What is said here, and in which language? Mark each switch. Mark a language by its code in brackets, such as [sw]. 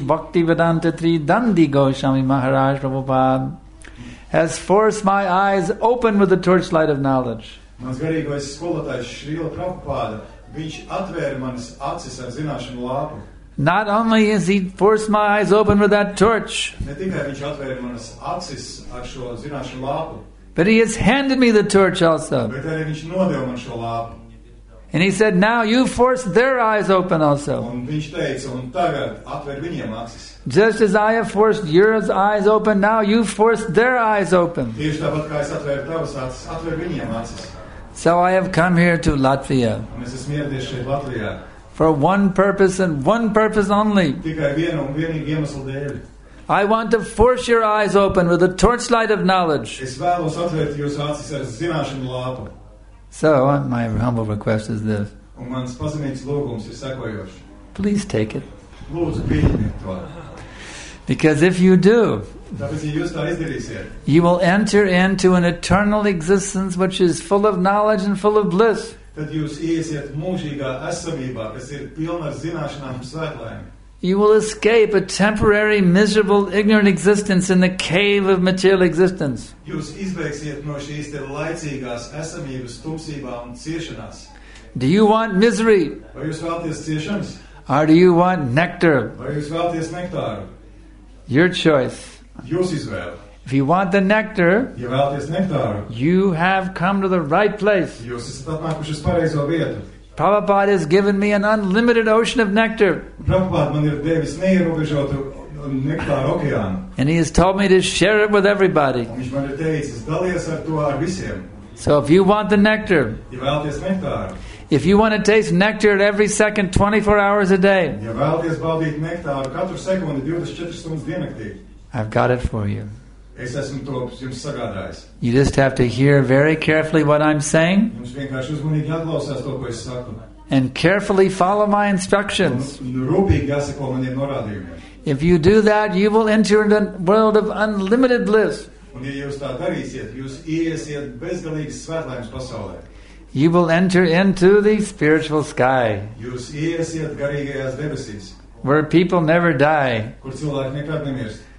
[en] Bhaktivedanta Tridandi Goswami Maharaj Prabhupada, has forced my eyes open with the torchlight of knowledge. [lv] Mans garīgais skolotājs Šrīla Prabhupāda, viņš atvēra manas acis ar zināšanu lāpu. [en] Not only has He forced my eyes open with that torch, [lv] ne tikai viņš atvēra manas acis ar šo zināšanu lāpu, [en] but He has handed me the torch also. [lv] Bet arī viņš nodeva man šo lāpu. [en] And he said, now you force their eyes open also. [lv] Un viņš teica, un tagad atver viņiem acis. [en] Just as I have forced your eyes open, now you force their eyes open. [lv] Tieši tāpat, kā es atveru tavas acis, atver viņiem acis. [en] So I have come here to Latvia. [lv] Un es esmu ieradies šeit Latvijā. [en] For one purpose and one purpose only. [lv] Tikai vienu un vienīgu iemeslu dēļ. [en] I want to force your eyes open with the torchlight of knowledge. [lv] Es vēlos atvert jūsu acis ar zināšanu lāpu. [en] So, my humble request is this. [lv] Un mans pazemīgs lūgums ir sekojošs. [en] Please take it. [lv] Lūdzu, pieņemiet to. [en] Because if you do, [lv] tāpēc, ja jūs tā izdarīsiet, [en] you will enter into an eternal existence which is full of knowledge and full of bliss. [lv] Tad jūs iesiet mūžīgā esamībā, kas ir pilna zināšanām un svētlēm. [en] You will escape a temporary, miserable, ignorant existence in the cave of material existence. [lv] Jūs izbeigsiet no šīs te laicīgās esamības tumsībā un ciešanās. [en] Do you want misery? [lv] Vai jūs vēlaties ciešanas? [en] Or do you want nectar? [lv] Vai jūs vēlaties nektāru? [en] Your choice. [lv] Jūs izvēle. [en] If you want the nectar, [lv] ja vēlaties nektāru, [en] you have come to the right place. [lv] Jūs esat atnākuši uz pareizo vietu. [en] Prabhupāda has given me an unlimited ocean of nectar. [lv] Prabhupāda man ir devis neierobežotu nektāru okeānu. [en] And he has told me to share it with everybody. [lv] Un viņš man ir teicis, dalies ar to ar visiem. [en] So if you want the nectar, [lv] ja vēlaties nektāru, [en] if you want to taste nectar every second, 24 hours a day, [lv] ja vēlaties baudīt nektāru katru sekundi 24 stundas diennaktī, [en] I've got it for you. [lv] Es esmu to jums sagādājis. [en] You just have to hear very carefully what I'm saying. [lv] Jums vienkārši uzmanīgi jāklausās to, ko es saku. [en] And carefully follow my instructions. [lv] Rūpīgi jāseko maniem norādījumiem. [en] If you do that, you will enter into a world of unlimited bliss. [lv] Un ja jūs tā darīsiet, jūs iesiet bezgalīgas svētlaimes pasaulē. [en] You will enter into the spiritual sky. [lv] Jūs iesiet garīgajās debesīs. [en] Where people never die. [lv] Kur cilvēki nekad nemirst.